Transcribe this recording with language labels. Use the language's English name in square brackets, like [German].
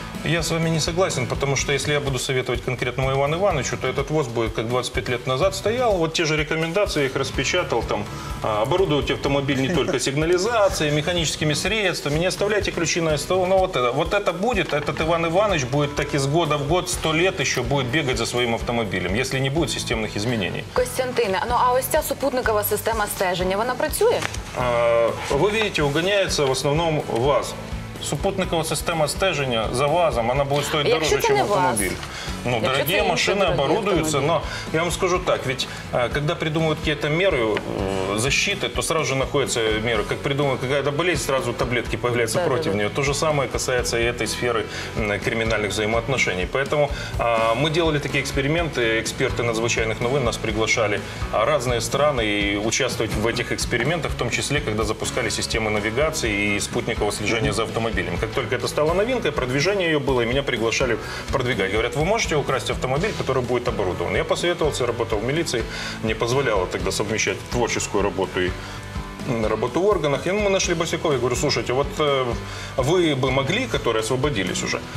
[Russian] Я с вами не согласен, потому что если я буду советовать конкретному Ивану Ивановичу, то этот ВОЗ будет как 25 лет назад стоял. Вот те же рекомендации, я их распечатал, там, оборудовать автомобиль не только сигнализацией, механическими средствами, не оставляйте ключи на СТО. Но вот это будет, этот Иван Иванович будет так из года в год, 100 лет еще будет бегать за своим автомобилем, если не будет системных изменений. [Ukrainian] Костянтина, ну а ось ця супутникова система стеження, вона працює? [Russian] Вы видите, угоняется в основном ВАЗ. [Ukrainian] Супутникова система стеження за ВАЗом, вона буде стоїти дороже, ніж автомобіль. Ну, дорогі машини оборудуються, але я вам скажу так, коли придумують якісь міри защити, то одразу ж знаходяться міри. Як придумують якась болезнь, одразу таблетки з'являються проти неї. Те ж саме стосується і цієї сфери кримінальних взаємовідносин. Тому ми робили такі експерименти, експерти надзвичайних новин нас приглашали в різні країни і участвувати в цих експериментах, в тому числі, коли запускали системи навігації і спутникове слідження за автомобілем. [Russian] Как только это стало новинкой, продвижение ее было, и меня приглашали продвигать. Говорят, вы можете украсть автомобиль, который будет оборудован? Я посоветовался, работал в милиции, не позволяло тогда совмещать творческую работу и работу в органах. И мы нашли Босякова, я говорю, слушайте, вот вы бы могли, которые освободились уже?